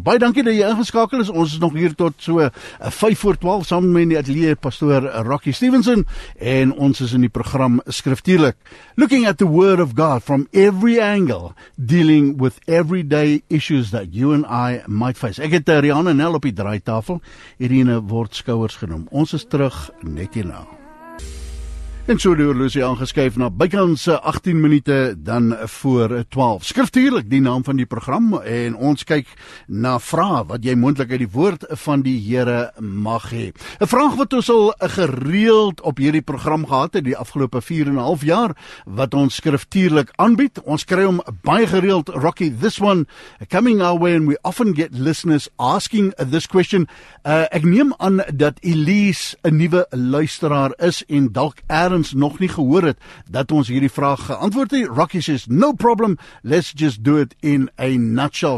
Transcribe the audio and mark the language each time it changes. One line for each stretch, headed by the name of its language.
Afrikaans: Baie dankie dat jy ingeskakel is. Ons is nog hier tot so 5:45 saam met die atelier pastoor Rocky Stevenson, en ons is in die program Skriftuurlik.
English: Looking at the Word of God from every angle, dealing with everyday issues that you and I might face.
Afrikaans: Ek het Rihanna Nel op die draaitafel, Irene word skouers genoem. Ons is terug net hierna. En so door Lucy aangeskuif na bykans 18 minute dan voor 12. Skriftuurlik, die naam van die program, en ons kyk na vrae wat jy moontlik uit die woord van die Here mag hê. 'N vraag wat ons al gereeld op hierdie program gehad het die afgelope 4.5 jaar wat ons skriftuurlik aanbied. Ons kry hom baie gereeld,
English: Rocky, this one coming our way, and we often get listeners asking this question.
Afrikaans: Ek neem aan dat Elise 'n nuwe luisteraar is en dalk Adams nog nie gehoor het dat ons hierdie vraag geantwoord het.
English: Rocky says, no problem, let's just do it in a nutshell.